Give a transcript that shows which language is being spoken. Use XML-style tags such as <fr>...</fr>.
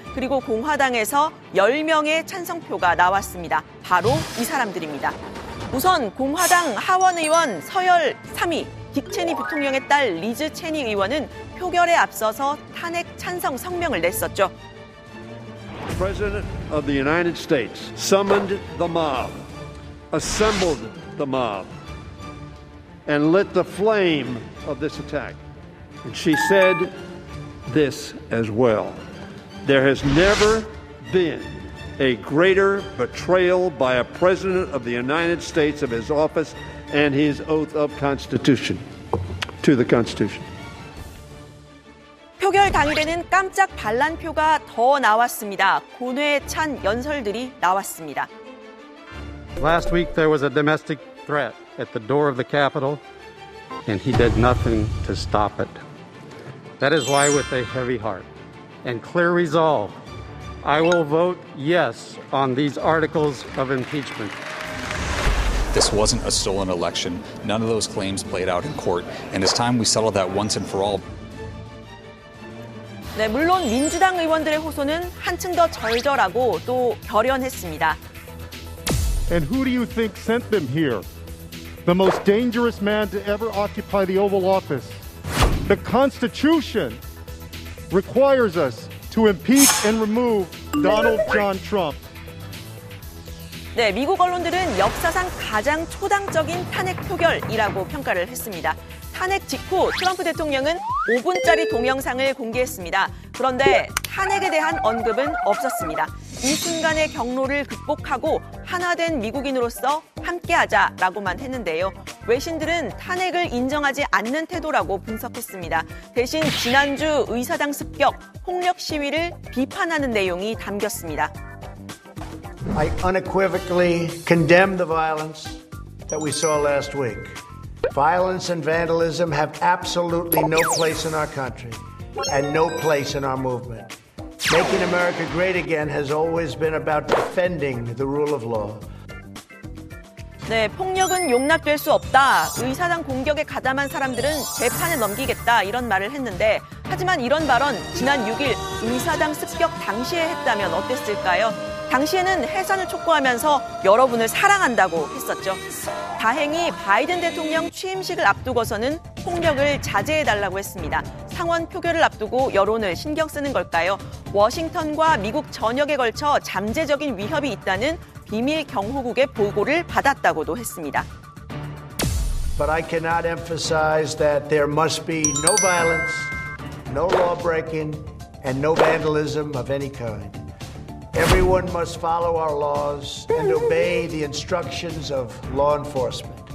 <ko>그리고 공화당에서 10명의 찬성표가 나왔습니다. 바로 이 사람들입니다. 우선 공화당 하원 의원 서열 3위, 딕 체니 부통령의 딸 리즈 체니 의원은 표결에 앞서서 탄핵 찬성 성명을 냈었죠.</ko> <en>President of the United States summoned the mob, assembled the mob. And lit the flame of this attack. And she said this as well. There has never been a greater betrayal by a president of the United States of his office and his oath of Constitution to the Constitution.</en> <ko>표결 당일에는 깜짝 반란표가 더 나왔습니다. 고뇌에 찬 연설들이 나왔습니다.</ko> <en>Last week there was a domestic threat at the door of the Capitol. And he did nothing to stop it. That is why, with a heavy heart and clear resolve, I will vote yes on these articles of impeachment. This wasn't a stolen election. None of those claims played out in court. And it's time we settle that once and for all.</en> <ko>네, 물론 민주당 의원들의 호소는 한층 더 절절하고 또 결연했습니다.</ko> <en>And who do you think sent them here? The most dangerous man to ever occupy the Oval Office. The Constitution requires us to impeach and remove Donald John Trump.</en> <ko>네, 미국 언론들은 역사상 가장 초당적인 탄핵 표결이라고 평가를 했습니다. 탄핵 직후 트럼프 대통령은 5분짜리 동영상을 공개했습니다. 그런데 탄핵에 대한 언급은 없었습니다. 이 순간의 경로를 극복하고 하나 된 미국인으로서 함께하자라고만 했는데요. 외신들은 탄핵을 인정하지 않는 태도라고 분석했습니다. 대신 지난주 의사당 습격, 폭력 시위를 비판하는 내용이 담겼습니다.</ko> <en>I unequivocally condemn the violence that we saw last week. Violence and vandalism have absolutely no place in our country and no place in our movement. Making America great again has always been about defending the rule of law.</en> <ko>네, 폭력은 용납될 수 없다. 의사당 공격에 가담한 사람들은 재판에 넘기겠다. 이런 말을 했는데, 하지만 이런 발언 지난 6일 의사당 습격 당시에 했다면 어땠을까요? 당시에는 해산을 촉구하면서 여러분을 사랑한다고 했었죠. 다행히 바이든 대통령 취임식을 앞두고서는 폭력을 자제해달라고 했습니다. 상원 표결을 앞두고 여론을 신경 쓰는 걸까요? 워싱턴과 미국 전역에 걸쳐 잠재적인 위협이 있다는 비밀 경호국의 보고를 받았다고도 했습니다.</ko> <en>But I cannot emphasize that there must be no violence, no lawbreaking, and no vandalism of any kind. Everyone must follow our laws and obey the instructions of law enforcement.</en>